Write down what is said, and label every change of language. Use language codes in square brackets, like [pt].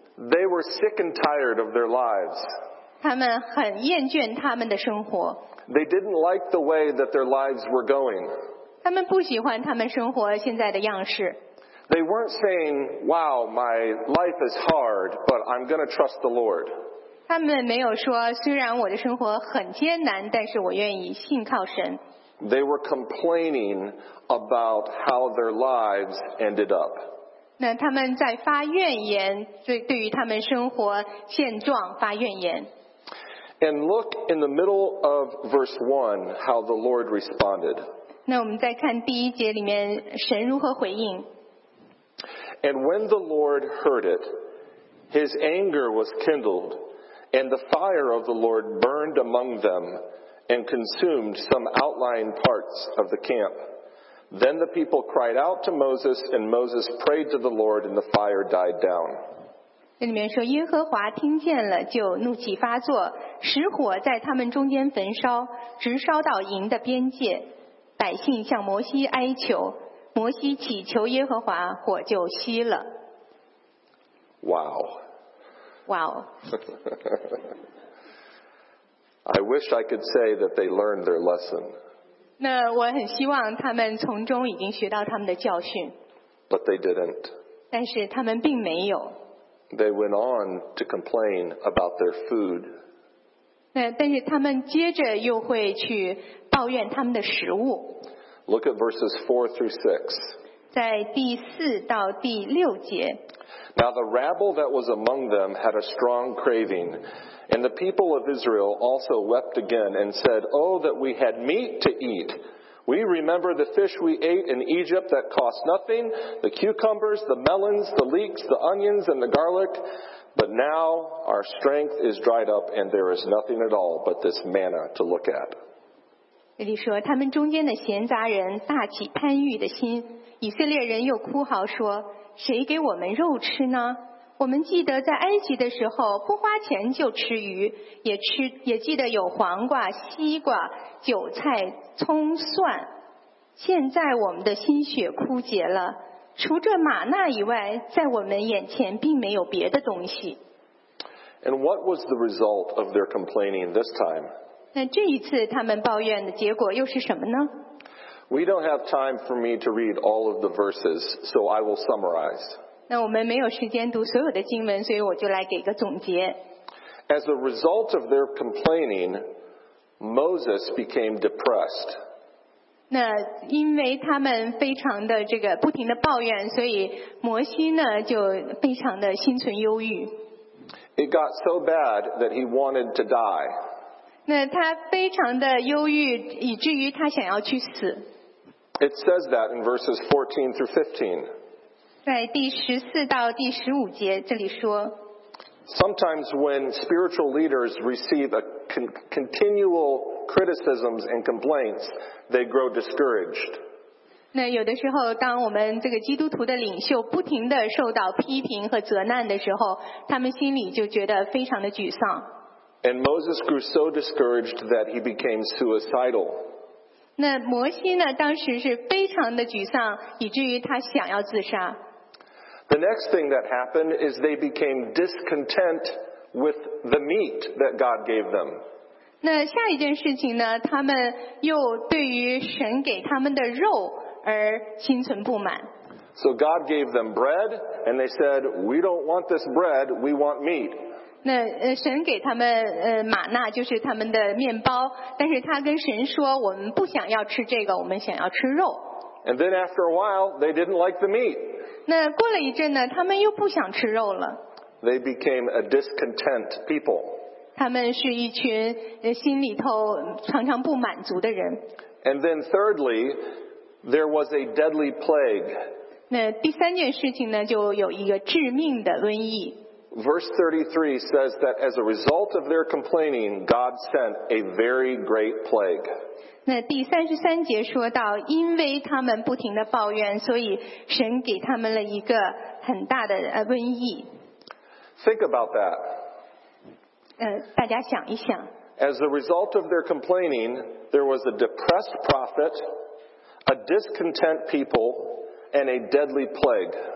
[en] They were sick and tired of their lives. [zh] 他们很厌倦他们的生活。 [en] They didn't like the way that their lives were going. [zh] 他们不喜欢他们生活现在的样式。 [en] They weren't saying, "Wow, my life is hard, but I'm going to trust the Lord." [zh] 他们没有说，虽然我的生活很艰难，但是我愿意信靠神。 [en] They were complaining about how their lives ended up. [zh] 那他们在发怨言，对于他们生活现状发怨言。 [en] And look in the middle of verse 1 how the Lord responded. [zh] 那我们再看第一节里面神如何回应。 [en] And when the Lord heard it, his anger was kindled, and the fire of the Lord burned among them and consumed some outlying parts of the camp. Then the people cried out to Moses, and Moses prayed to the Lord, and the fire died down. [zh] 这里面说耶和华听见了就怒气发作，使火在他们中间焚烧，直烧到营的边界。百姓向摩西哀求，摩西祈求耶和华，火就熄了。 [en] Wow. Wow. I wish I could say that they learned their lesson. [zh] 那我很希望他们从中已经学到他们的教训。 [en] But they didn't. [zh] 但是他们并没有。 [en] They went on to complain about their food. [zh] 那但是他们接着又会去抱怨他们的食物。 [en] Look at verses 4 through 6. [zh] 在第四到第六节。 [en] Now the rabble that was among them had a strong craving, and the people of Israel also wept again and said, Oh, that we had meat to eat! We remember the fish we ate in Egypt that cost nothing, the cucumbers, the melons, the leeks, the onions, and the garlic. But now our strength is dried up, and there is nothing at all but this manna to look at. [zh] 这里说，他们中间的闲杂人大起贪欲的心，以色列人又哭嚎说，谁给我们肉吃呢？我们记得在埃及的时候，不花钱就吃鱼，也记得有黄瓜、西瓜、韭菜、葱、蒜。现在我们的心血枯竭了，除这玛纳以外，在我们眼前并没有别的东西。 [en] And what was the result of their complaining this time? [zh] 那这一次他们抱怨的结果又是什么呢？ [en] We don't have time for me to read all of the verses, so I will summarize. [zh] 那我们没有时间读所有的经文，所以我就来给个总结。 [en] As a result of their complaining, Moses became depressed. [zh] 那因为他们非常的这个不停的抱怨，所以摩西呢就非常的心存忧郁。 [en] It got so bad that he wanted to die. [zh] 那他非常的忧郁，以至于他想要去死。 [en] It says that in verses 14 through 15. [zh] 在第十四到第十五节这里说。 [en] Sometimes when spiritual leaders receive a continual criticisms and complaints, they grow discouraged. [zh] 那有的时候，当我们这个基督徒的领袖不停地受到批评和责难的时候，他们心里就觉得非常的沮丧。 [en] And Moses grew so discouraged that he became suicidal. [zh] 那摩西呢，当时是非常的沮丧，以至于他想要自杀。 [en] The next thing that happened is they became discontent with the meat that God gave them. [zh] 那下一件事情呢，他们又对于神给他们的肉而心存不满。 [en] So God gave them bread, and they said, "We don't want this bread, we want meat." [zh] 那神给他们玛纳，就是他们的面包，但是他跟神说，我们不想要吃这个，我们想要吃肉。 [en] And then after a while, they didn't like the meat. [zh] 那过了一阵呢，他们又不想吃肉了。 [en] They became a discontent people. [zh] 他们是一群心里头常常不满足的人。 [en] And then thirdly, there was a deadly plague. [zh] 那第三件事情呢，就有一个致命的瘟疫。 [en] Verse 33 says that as a result of their complaining, God sent a very great plague. [zh] 那第三十三节说到，因为他们不停的抱怨，所以神给他们了一个很大的瘟疫。 [en] Think about that. [zh] 大家想一想。 [en] As a result of their complaining, there was a depressed prophet, a discontent people, and a deadly plague.